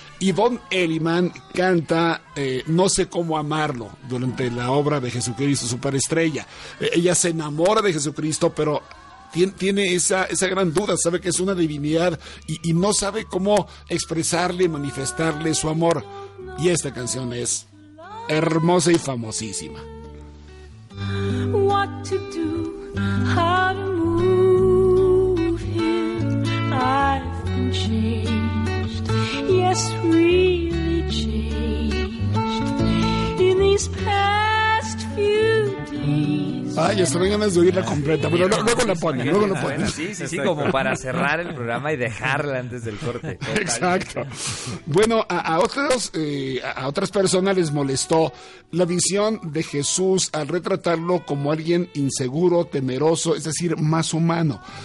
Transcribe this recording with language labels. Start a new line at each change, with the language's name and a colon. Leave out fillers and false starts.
Spanish: Yvonne Elliman canta No sé cómo amarlo durante la obra de Jesucristo Superestrella. Ella se enamora de Jesucristo, pero tiene esa gran duda, sabe que es una divinidad y no sabe cómo expresarle, manifestarle su amor. Y esta canción es hermosa y famosísima.
English: What to do, how to move him, I've been changed, yes, really changed, in these past few days.
Spanish: Ay, ya se ven ganas de oírla completa. Pero luego la ponen, Sí, como para cerrar el programa y dejarla antes del corte. Totalmente. Exacto. Bueno, a otras personas les molestó la visión de Jesús al retratarlo como alguien inseguro, temeroso, es decir, más humano.